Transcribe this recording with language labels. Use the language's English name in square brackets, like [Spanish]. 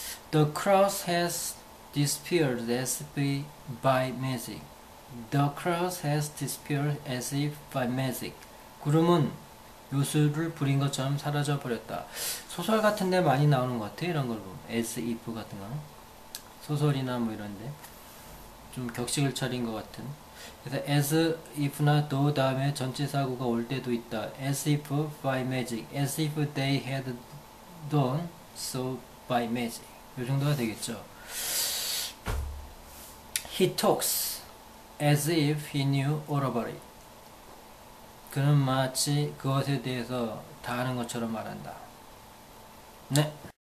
[English] The cross has disappeared as if by magic. The cross has disappeared as if by magic. [Korean] 구름은 요술을 부린 것처럼 사라져 버렸다. 소설 같은 데 많이 나오는 것 같아요. 이런 걸 보면. As if 같은 거는. 소설이나 뭐 이런데 좀 격식을 차린 것 같은. 그래서 as if나 though 다음에 전치사구가 올 때도 있다. [English] As if by magic. As if they had done so by magic. [Korean] 이 정도가 되겠죠. [English] He talks as if he knew all about it. [Korean] 그는 마치 그것에 대해서 다 아는 것처럼 말한다. 네.